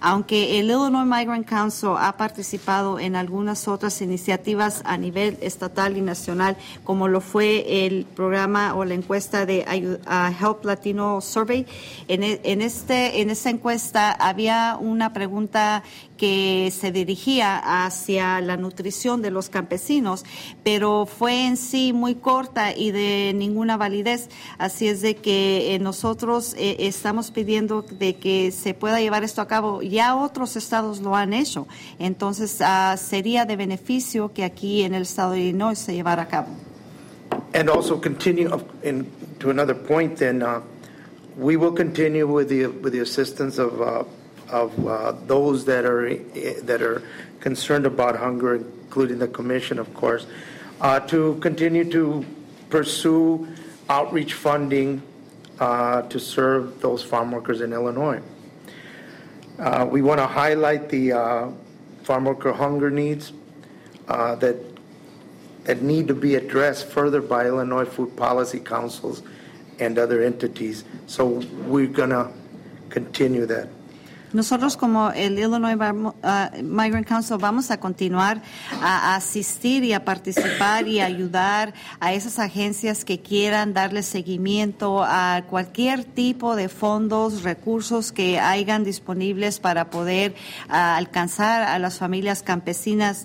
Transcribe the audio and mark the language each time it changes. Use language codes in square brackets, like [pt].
[es] Aunque el Illinois Migrant Council ha participado en algunas otras iniciativas a nivel estatal y nacional, como lo fue el programa o la encuesta de Help Latino Survey, en esta encuesta había una pregunta que se dirigía hacia la nutrición de los campesinos, pero fue en sí muy corta y de ninguna validez. Así es de que nosotros estamos pidiendo de que se pueda llevar esto a cabo. Ya otros estados lo han hecho. Entonces, sería de beneficio que aquí en el estado de Illinois se llevara a cabo. [en] And also continue to another point, then we will continue with the assistance of those that are concerned about hunger, including the commission, of course, to continue to pursue outreach funding to serve those farm workers in Illinois. We want to highlight the farm worker hunger needs that need to be addressed further by Illinois Food Policy Council's and other entities. So we're going to continue that. [es] Nosotros como el Illinois Migrant Council vamos a continuar a asistir y a participar y ayudar a esas agencias que quieran darle seguimiento a cualquier tipo de fondos, recursos que hayan disponibles para poder alcanzar a las familias campesinas.